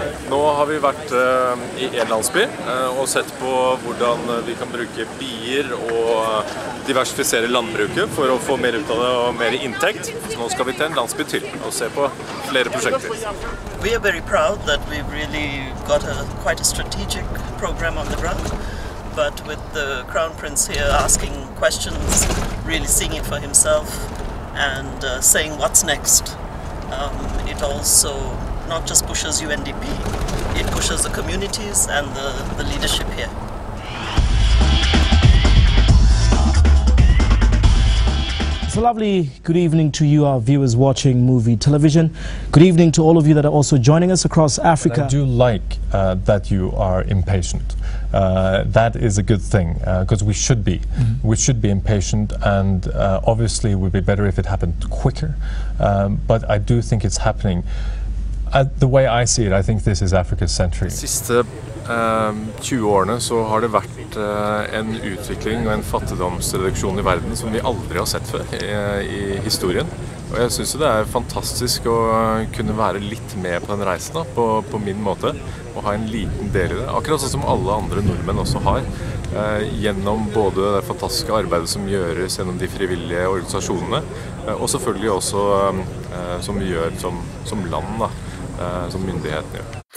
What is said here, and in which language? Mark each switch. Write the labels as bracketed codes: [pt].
[no] Nå har vi vært I en landsby og sett på hvordan vi kan bruke bier og diversifisere landbruket for å få mer ut av det og mer inntekt. Så nå skal vi til en landsby til og se på flere prosjekter. [en] We are very proud that we've really got quite a strategic program on the ground. But with the Crown Prince here asking questions, really seeing it for himself, and saying what's next, it also not just pushes UNDP, it pushes the communities and the leadership here. It's a lovely good evening to you, our viewers watching movie television. Good evening to all of you that are also joining us across Africa. But I do like that you are impatient. That is a good thing, because we should be. Mm-hmm. We should be impatient, and obviously it would be better if it happened quicker. But I do think it's happening. The way I see it, I think this is Africa's century. [no] De siste 20 årene så har det vært en utvikling og en fattigdomsreduksjon I verden som vi aldri har sett før I historien. Og jeg synes det fantastisk å kunne være litt med på den reisen da, på min måte, og ha en liten del I det, akkurat sånn som alle andre nordmenn også har, gjennom både det fantastiske arbeidet som gjøres gjennom de frivillige organisasjonene, og selvfølgelig også som vi gjør som land, da, som myndigheten gjør.